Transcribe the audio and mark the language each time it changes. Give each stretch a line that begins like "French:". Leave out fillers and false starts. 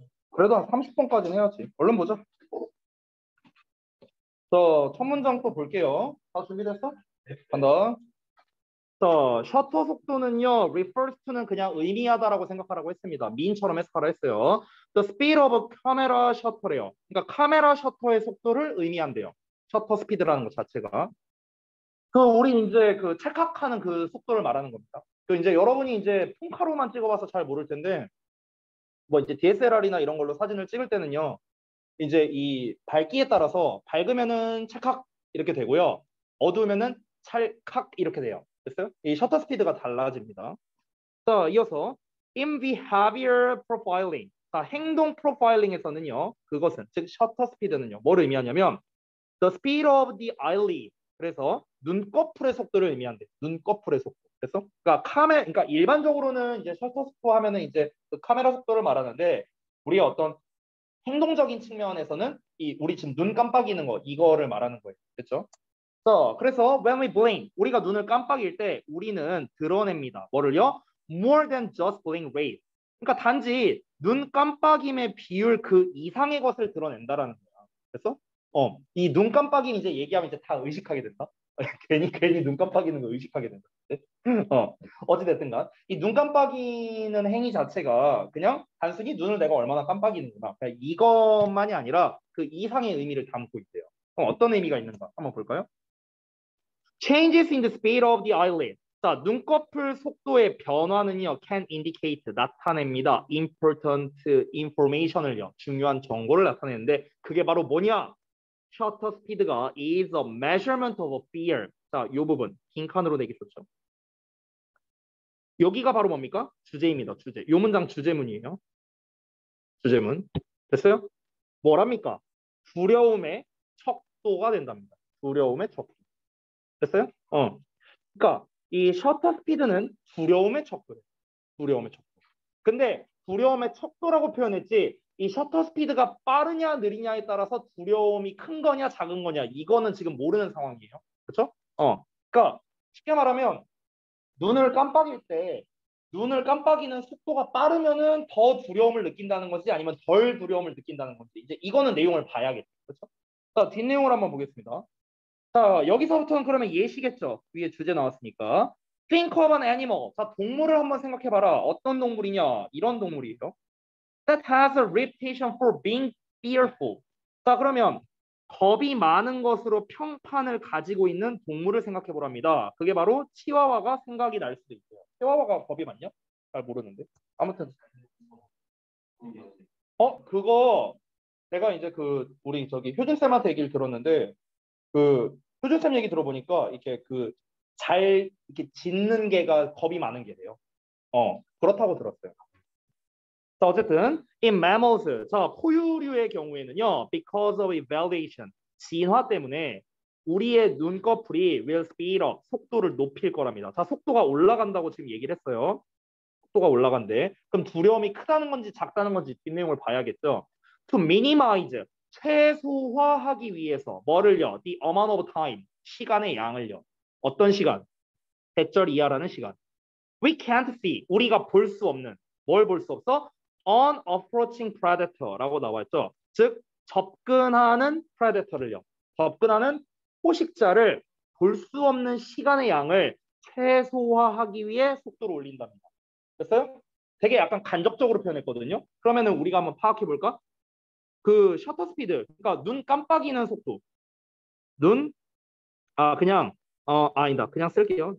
Korean: 그래도 한 30번까지는 해야지. 얼른 보자. 자, 첫 문장 또 볼게요. 다 준비됐어? 간다. 자, 셔터 속도는요. refers to는 그냥 의미하다라고 생각하라고 했습니다. mean처럼 해석하라 했어요.
English: The speed of a camera shutter래요.
Korean: 그러니까 카메라 셔터의 속도를 의미한대요. 셔터 스피드라는 것 자체가. 그 우리 이제 그 찰칵하는 그 속도를 말하는 겁니다. 그 이제 여러분이 이제 폰카로만 찍어봐서 잘 모를 텐데 뭐 이제 DSLR이나 이런 걸로 사진을 찍을 때는요. 이제 이 밝기에 따라서 밝으면은 찰칵 이렇게 되고요. 어두우면은 찰칵 이렇게 돼요. 됐어요? 이 셔터 스피드가 달라집니다. 자, 이어서
English: in behavior profiling.
Korean: 자, 행동 프로파일링에서는요. 그것은 즉 셔터 스피드는요. 뭘 의미하냐면
English: the speed of the eyelid.
Korean: 그래서 눈꺼풀의 속도를 의미한대. 눈꺼풀의 속도. 그래서 그러니까 그러니까 일반적으로는 이제 셔터 속도 하면은 이제 그 카메라 속도를 말하는데 우리의 어떤 행동적인 측면에서는 이 우리 지금 눈 깜빡이는 거 이거를 말하는 거예요. 됐죠? 자, 그래서
English: when we blink
Korean: 우리가 눈을 깜빡일 때 우리는 드러냅니다. 뭐를요?
English: more than just blink rate.
Korean: 그러니까 단지 눈 깜빡임의 비율 그 이상의 것을 드러낸다라는 거야. 됐어? 이 눈 깜빡임 이제 얘기하면 이제 다 의식하게 된다. 괜히 눈 깜빡이는 거 의식하게 된다. 어찌됐든가 이 눈 깜빡이는 행위 자체가 그냥 단순히 눈을 내가 얼마나 깜빡이는구나. 그냥 이것만이 아니라 그 이상의 의미를 담고 있대요. 그럼 어떤 의미가 있는가 한번 볼까요?
English: Changes in the speed of the eyelid.
Korean: 자, 눈꺼풀 속도의 변화는요.
English: Can indicate,
Korean: 나타냅니다.
English: Important information을요.
Korean: 중요한 정보를 나타내는데 그게 바로 뭐냐?
English: Shutter speed가 is a measurement of a fear.
Korean: 자, 이 부분 긴 칸으로 내기 썼죠. 여기가 바로 뭡니까? 주제입니다. 주제. 이 문장 주제문이에요. 주제문. 됐어요? 뭐랍니까? 두려움의 척도가 된답니다. 두려움의 척도. 됐어요? 그러니까 이 셔터 스피드는 두려움의 척도예요. 두려움의 척도. 근데 두려움의 척도라고 표현했지 이 셔터 스피드가 빠르냐 느리냐에 따라서 두려움이 큰 거냐 작은 거냐 이거는 지금 모르는 상황이에요. 그렇죠? 그러니까 쉽게 말하면 눈을 깜빡일 때 눈을 깜빡이는 속도가 빠르면은 더 두려움을 느낀다는 건지 아니면 덜 두려움을 느낀다는 건지 이제 이거는 내용을 봐야겠죠. 그렇죠? 자, 뒷내용을 한번 보겠습니다. 자, 여기서부터는 그러면 예시겠죠. 위에 주제 나왔으니까.
English: Think of an animal.
Korean: 자, 동물을 한번 생각해봐라. 어떤 동물이냐. 이런 동물이에요.
English: That has a reputation for being fearful.
Korean: 자, 그러면 겁이 많은 것으로 평판을 가지고 있는 동물을 생각해보랍니다. 그게 바로 치와와가 생각이 날 수도 있어요. 치와와가 겁이 많냐? 잘 모르는데. 아무튼. 그거 내가 이제 그 우리 저기 효준쌤한테 얘기를 들었는데 그 효준쌤 얘기 들어보니까 이렇게 그 잘 이렇게 짖는 개가 겁이 많은 개래요. 그렇다고 들었어요. 자, 어쨌든
English: in mammals,
Korean: 자, 포유류의 경우에는요.
English: because of evaluation,
Korean: 진화 때문에 우리의 눈꺼풀이
English: will speed up,
Korean: 속도를 높일 거랍니다. 자, 속도가 올라간다고 지금 얘기를 했어요. 속도가 올라간대. 그럼 두려움이 크다는 건지 작다는 건지 뒷내용을 봐야겠죠.
English: to minimize,
Korean: 최소화하기 위해서 뭐를요?
English: the amount of time,
Korean: 시간의 양을요. 어떤 시간? 대절 이하라는 시간.
English: we can't see,
Korean: 우리가 볼 수 없는, 뭘 볼 수 없어?
English: on approaching predator라고 나와있죠.
Korean: 즉 접근하는 predator를요. 접근하는 포식자를 볼 수 없는 시간의 양을 최소화하기 위해 속도를 올린답니다. 됐어요? 되게 약간 간접적으로 표현했거든요. 그러면은 우리가 한번 파악해 볼까? 그 셔터 스피드, 그러니까 눈 깜빡이는 속도. 눈 아 그냥 어 아니다. 그냥 쓸게요.